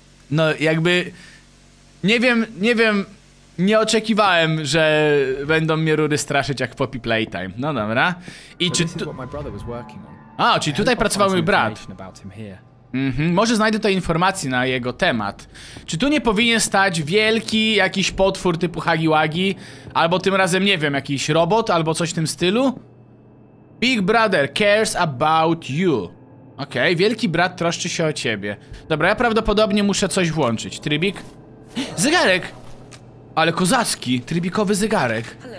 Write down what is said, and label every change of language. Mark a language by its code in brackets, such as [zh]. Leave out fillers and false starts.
[pl] No, jakby... Nie wiem... Nie oczekiwałem, że będą mnie rury straszyć jak Poppy Playtime. No dobra. I czy tu... A, czyli tutaj pracował mój brat. Może znajdę tutaj informacje na jego temat. Czy tu nie powinien stać wielki jakiś potwór typu Hagiwagi? Albo tym razem, nie wiem, jakiś robot albo coś w tym stylu? [en] Big Brother cares about you. [pl] Okej, wielki brat troszczy się o ciebie. Dobra, ja prawdopodobnie muszę coś włączyć. Trybik? Zegarek! Ale kozacki, trybikowy zegarek.